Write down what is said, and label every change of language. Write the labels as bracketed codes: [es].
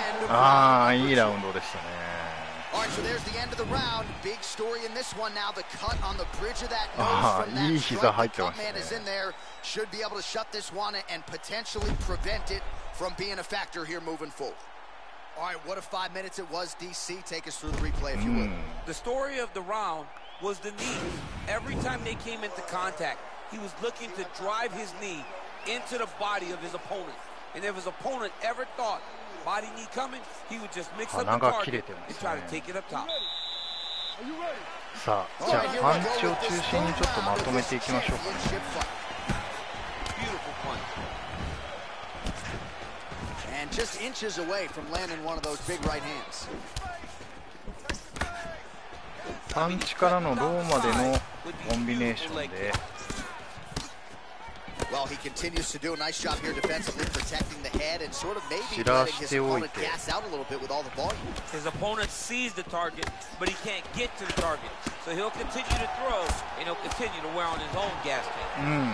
[ja] ああ、いいラウンドでしたね。 [en] All right, so there's the end of the round. Big story in this one now. The cut on the bridge of that nose from that strike. The cut man is in there. Should be able to shut this one and potentially prevent it from being a factor here moving forward. All right, what a 5 minutes it was, DC. Take us through the replay, if you would. The story of the round was the knee. Every time they came into contact, he was looking to drive his knee into the body of his opponent. And if his opponent ever thought body knee coming, he would just mix up the target and try to take it up top. [ja] さあ、じゃあパンチを中心にちょっとまとめていきましょうかね。 [en] Beautiful punch. And just inches away from landing one of those big right hands. [ja] パンチからのローまでのコンビネーションで。 [en] Well, he continues to do a nice job here defensively, protecting the head and sort of maybe letting his opponent gas out a little bit with all the volume. His opponent sees the target, but he can't get to the target. So he'll continue to throw, and he'll continue to wear on his own gas tank.